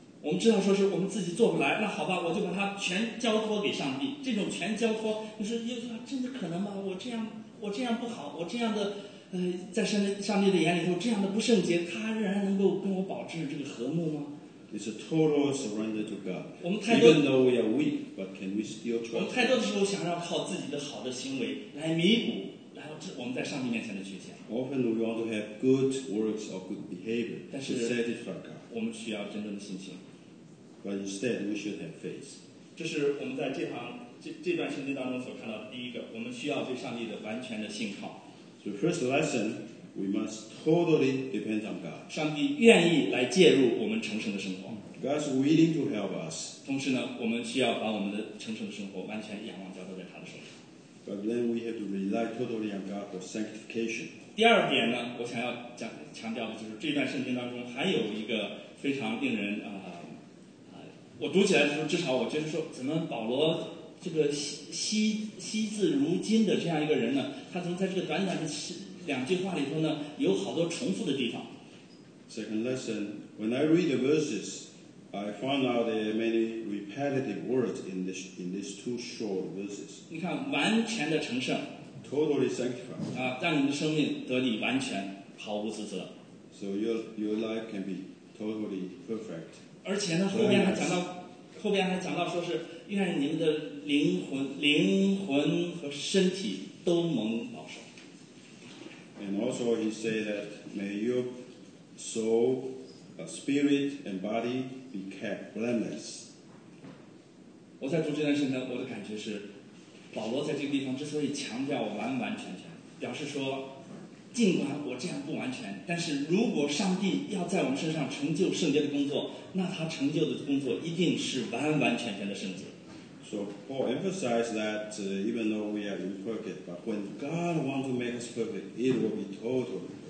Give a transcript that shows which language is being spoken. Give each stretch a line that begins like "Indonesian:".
Chinese: 我们知道说是我们自己做不来，那好吧，我就把它全交托给上帝。这种全交托，你说耶稣真的可能吗？我这样不好，我这样的，在上帝的眼里头这样的不圣洁，他仍然能够跟我保持这个和睦吗？
English: It's a total surrender to God.
Chinese: 我们太多
English: Even though we are weak, but can we still trust?
Chinese: 我们太多的时候想要靠自己的好的行为来弥补。我们在上帝面前的缺陷。
English: Often we want to have good works or good behavior to satisfy God.
Chinese: 我们需要真正的信心。
English: But instead, we should have faith.
Chinese: 这是我们在这段圣经当中所看到的第一个，我们需要对上帝的完全的信靠。
English: So first lesson, we must totally depend on God.
Chinese: 上帝愿意来介入我们成圣的生活。
English: God's willing to help us.
Chinese: 同时呢，我们需要把我们的成圣的生活完全仰望交托在他的手上。
English: But then we have to rely totally on God for sanctification.
Chinese: 第二点呢，我想要强调的就是这段圣经当中还有一个非常令人我读起来的时候，至少我觉得说，怎么保罗这个惜字如金的这样一个人呢？他怎么在这个短短的两句话里头呢，有好多重复的地方
English: ？Second lesson, when I read the verses, I find out there are many repetitive words in these two short verses.
Chinese: 你看，完全的成圣。
English: Totally sanctified.
Chinese: 啊，让你的生命得以完全，毫无自责。
English: So your life can be totally perfect.
Chinese: 而且呢，后边还讲到说是愿你们的灵魂和身体都蒙保守。
English: And also he said that may your soul, spirit and body be kept blameless.
Chinese: 我在读这段圣经，我的感觉是，保罗在这个地方之所以强调完完全全，表示说，尽管我这样不完全，但是如果上帝要在我们身上成就圣洁的工作，那他成就的工作一定是完完全全的圣洁。
English: So Paul emphasized that even though we are imperfect, but when God wants to make us perfect, it will be totally.